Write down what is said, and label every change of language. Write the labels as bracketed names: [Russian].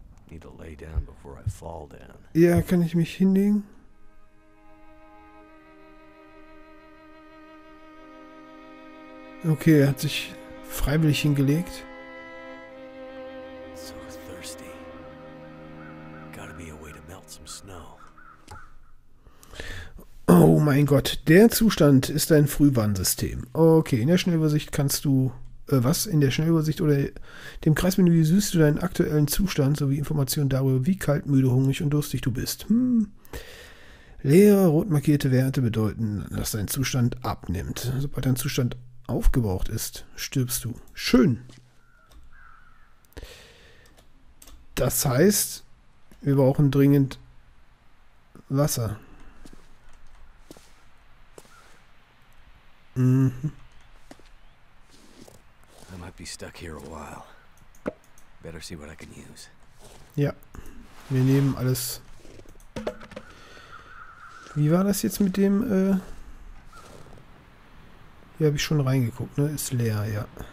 [English] Need to lay down before I fall down. [German] Ja, kann ich mich hinlegen? Okay, er hat sich freiwillig hingelegt. [English] So thirsty. Gotta be a way to melt some snow. [German] Oh mein Gott, der Zustand ist dein Frühwarnsystem. Okay, in der Schnellübersicht kannst du... was? In der Schnellübersicht oder dem Kreismenü siehst du deinen aktuellen Zustand sowie Informationen darüber, wie kalt, müde, hungrig und durstig du bist. Leere, rot markierte Werte bedeuten, dass dein Zustand abnimmt. Sobald dein Zustand aufgebraucht ist, stirbst du. Schön. Das heißt, wir brauchen dringend Wasser. [English] I might be stuck here a while. Better see what I can use. [German] Ja, wir nehmen alles. Wie war das jetzt mit dem? Hier habe ich schon reingeguckt, ne? Ist leer, ja.